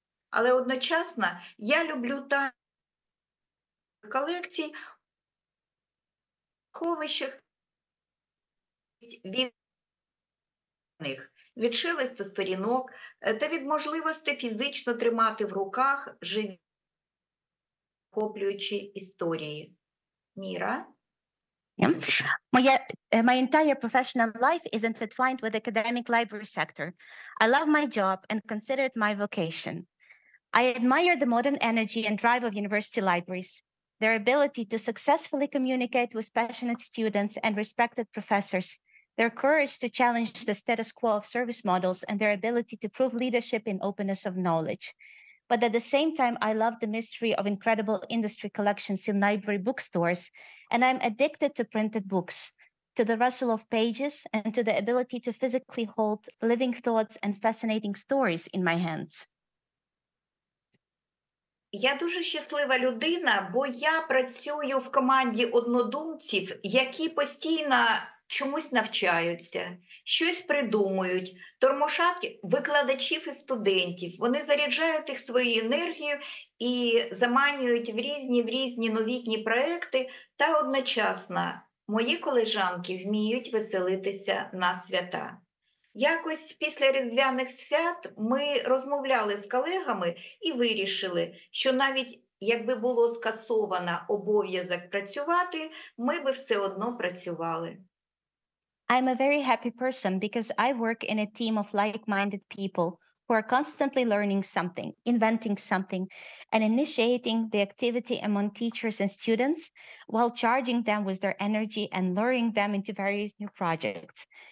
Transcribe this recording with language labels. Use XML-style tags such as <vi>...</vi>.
<uk>Але одночасно я люблю та колекції ховищах від шелесту сторінок та від можливості фізично тримати в руках живі охоплюючі історії. Міра?</uk> <en>My entire professional life is intertwined with the academic library sector. I love my job and consider it my vocation. I admire the modern energy and drive of university libraries. Their ability to successfully communicate with passionate students and respected professors, their courage to challenge the status quo of service models, and their ability to prove leadership in openness of knowledge. But at the same time, I love the mystery of incredible industry collections in library bookstores, and I'm addicted to printed books, to the rustle of pages, and to the ability to physically hold living thoughts and fascinating stories in my hands.</en> <uk>Я дуже щаслива людина, бо я працюю в команді однодумців, які постійно чомусь навчаються, щось придумують, тормошать викладачів і студентів. Вони заряджають їх своєю енергією і заманюють в різні новітні проекти. Та одночасно мої колежанки вміють веселитися на свята. Якось після різдвяних свят ми розмовляли з колегами і вирішили, що навіть якби було скасовано обов'язок працювати, ми би все одно працювали.</uk> <en>I'm a very happy person because I work in a team of like-minded people who are constantly learning something, inventing something, and initiating the activity among teachers and students while charging them with their energy and luring them into various new projects.</en>